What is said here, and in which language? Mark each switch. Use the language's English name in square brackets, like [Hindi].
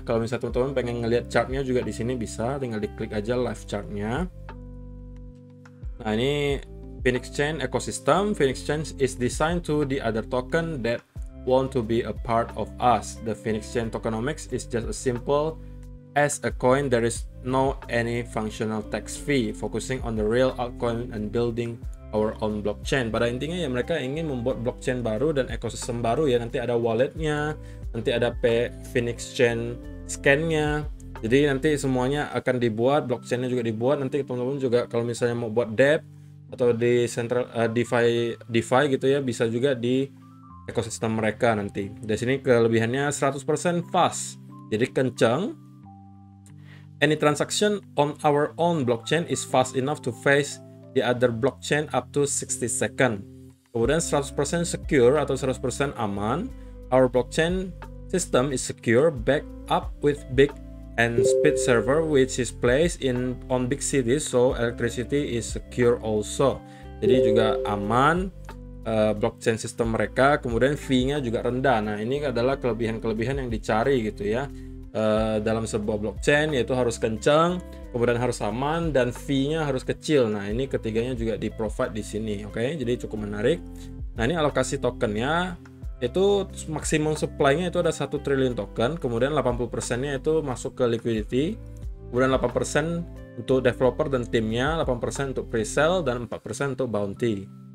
[Indonesian] Kalau misalnya teman-teman pengen ngelihat chart-nya juga di sini bisa, tinggal diklik aja live chart-nya. Nah, ini Phoenix Chain ecosystem. [English] Phoenix Chain is designed to the other token that want to be a part of us. The Phoenix Chain tokenomics is just as simple as a coin. There is no any functional tax fee, focusing on the real altcoin and building our own blockchain. [Indonesian] Pada intinya ya mereka ingin membuat blockchain baru dan ekosistem baru ya. Nanti ada walletnya, nanti ada Phoenix Chain scan-nya. Jadi nanti semuanya akan dibuat, blockchain-nya juga dibuat. Nanti teman-teman juga kalau misalnya mau buat DApp atau di central DeFi gitu ya, bisa juga di ekosistem mereka nanti. Di sini kelebihannya 100% fast, jadi kencang. [English] Any transaction on our own blockchain is fast enough to face the other blockchain up to 60 second. [Indonesian] Kemudian 100% secure atau 100% aman. [English] Our blockchain system is secure, back up with big and speed server which is placed in on big cities, so electricity is secure also. [Indonesian] Jadi juga aman blockchain system mereka. Kemudian fee-nya juga rendah. Nah, ini adalah kelebihan-kelebihan yang dicari gitu ya. Dalam sebuah blockchain yaitu harus kencang, kemudian harus aman, dan fee-nya harus kecil. Nah, ini ketiganya juga di provide di sini. Oke, jadi cukup menarik. Nah, ini alokasi tokennya itu maksimum supply-nya itu ada 1 triliun token, kemudian 80%-nya itu masuk ke liquidity, kemudian 8% untuk developer dan timnya, 8% untuk pre-sale, dan 4% untuk bounty.